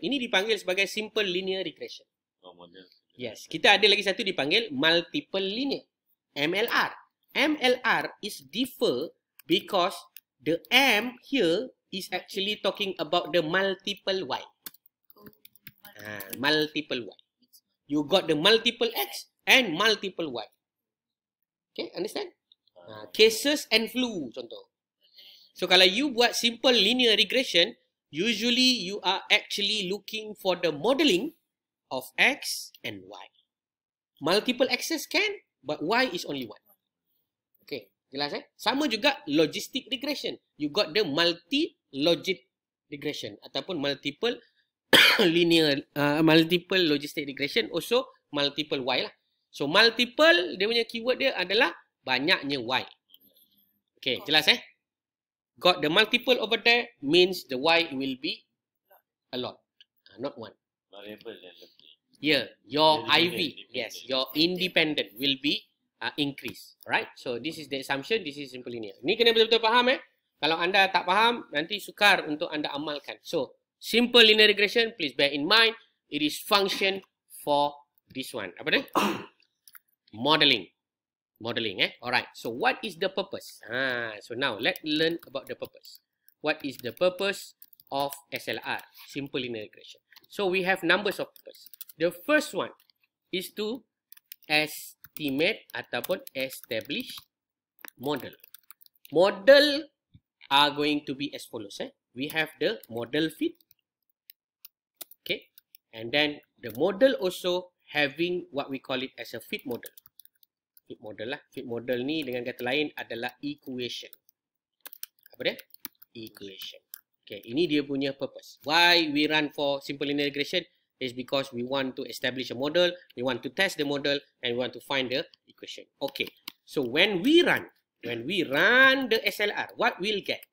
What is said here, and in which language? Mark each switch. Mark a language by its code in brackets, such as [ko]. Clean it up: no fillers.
[ms] Ini dipanggil sebagai simple linear regression. Yes, kita ada lagi satu dipanggil multiple linear. MLR. [en] MLR is differ because the M here is actually talking about the multiple Y. Multiple Y. You got the multiple X and multiple Y. Okay, understand? Cases and flu, contoh. So, [ms] kalau you buat [en] simple linear regression, usually you are actually looking for the modeling of X and Y. Multiple X's can, but Y is only one. Okay, [ms] jelas eh? Sama juga [en] logistic regression. You got the multi-logic regression ataupun multiple linear, multiple logistic regression, also multiple Y lah. [ms] So multiple, dia punya keyword dia adalah banyaknya Y. Okay, jelas eh? [en] Got the multiple over there means the Y will be a lot, not one. Variable. Yeah, your IV, yes, your independent will be increase, right? So this is the assumption, this is simple linear. [ms] Ni kena betul-betul faham eh? Kalau anda tak faham, nanti sukar untuk anda amalkan. [en] So simple linear regression, please bear in mind, it is function for this one. [ms] Apa dia? [en] Modeling. Modeling eh? Alright. So, what is the purpose? So now, let's learn about the purpose. What is the purpose of SLR? Simple linear regression. So, we have numbers of purpose. The first one is to estimate ataupun establish model. Model are going to be as follows eh? We have the model fit. And then the model also having what we call it as a fit model. fit model lah. [ms] Fit model ni dengan kata lain adalah equation. Apa dia? Equation. Okay, ini dia punya purpose. [en] Why we run for simple linear regression is because we want to establish a model, we want to test the model, and we want to find the equation. Okay, so when we run the SLR, what we'll get?